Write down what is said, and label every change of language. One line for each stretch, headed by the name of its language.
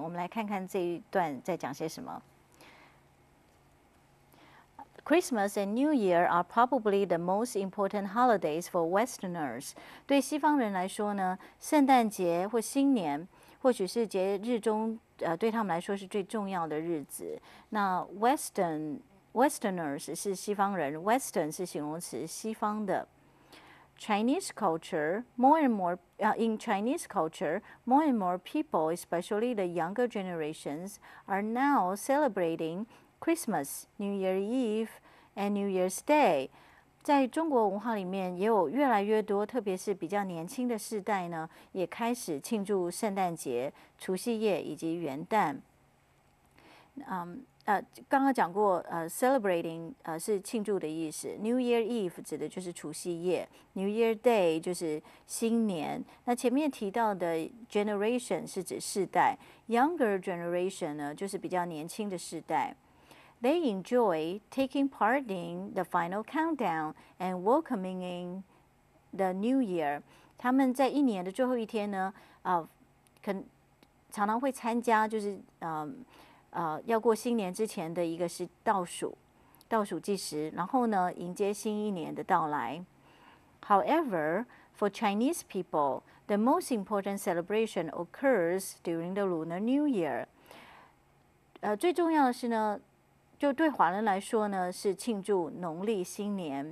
Chinese: 我们来看看这一段在讲些什么。
English: Christmas and New Year are probably the most important holidays for Westerners.
Chinese: 对西方人来说呢，圣诞节或新年或许是节日中对他们来说是最重要的日子。那 Westerners 是西方人， Western 是形容词，西方的。
English: In Chinese culture, more and more people, especially the younger generations, are now celebrating Christmas, New Year Eve, and New Year's Day.
Chinese: 在中国文化里面，也有越来越多，特别是比较年轻的世代呢，也开始庆祝圣诞节、除夕夜以及元旦。刚刚讲过，celebrating 是庆祝的意思 ，New Year Eve 指的就是除夕夜 ，New Year Day 就是新年。那前面提到的 generation 是指世代 ，younger generation 呢就是比较年轻的世代。
English: They enjoy taking part in the final countdown and welcoming in the new year.
Chinese: 他们在一年的最后一天呢，常常会参加，就是要过新年之前的一个是倒数计时，然后呢，迎接新一年的到来。
English: However, for Chinese people, the most important celebration occurs during the Lunar New Year.
Chinese: 最重要的是呢。就对华人来说呢，是庆祝农历新年。